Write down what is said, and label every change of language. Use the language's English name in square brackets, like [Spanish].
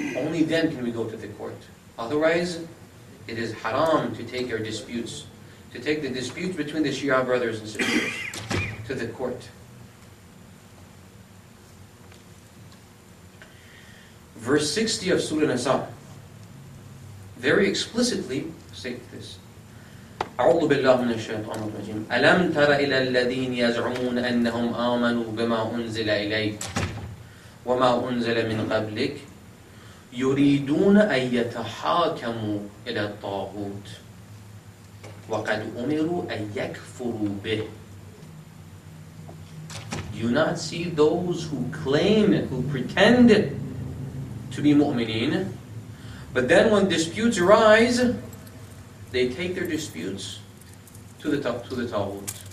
[English] Only then can we go to the court. Otherwise, it is haram to take our disputes, to take the disputes between the Shia brothers and sisters to the court. Verse 60 of Surah Nisa very explicitly states this. [Arabic] أعوذ بالله من الشيطان الرجيم ألم تر إلى الذين يزعمون أنهم آمنوا بما أنزل إليك وما أنزل من قبلك يريدون أن يتحاكموا إلى الطاغوت وقد أمروا أن يكفروا به. [English] Do you not see those who claim, who pretend to be mu'mineen, but then when disputes arise, they take their disputes to the Tawhut.